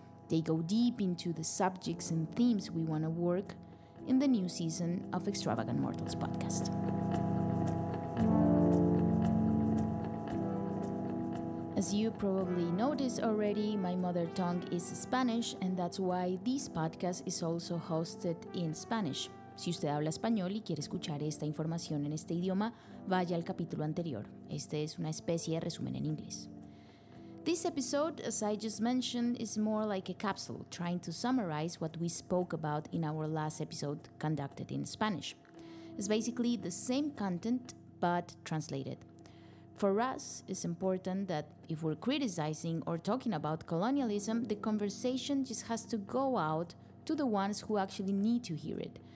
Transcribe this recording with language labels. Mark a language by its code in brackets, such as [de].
[en] They go deep into the subjects and themes we want to work in the new season of Extravagant Mortals podcast. As you probably noticed already, my mother tongue is Spanish, and that's why this podcast is also hosted in Spanish. [es] Si usted habla español y quiere escuchar esta información en este idioma, vaya al capítulo anterior. Este es una especie de resumen en inglés. [en] This episode, as I just mentioned, is more like a capsule, trying to summarize what we spoke about in our last episode conducted in Spanish. It's basically the same content, but translated. For us, it's important that if we're criticizing or talking about colonialism, the conversation just has to go out to the ones who actually need to hear it.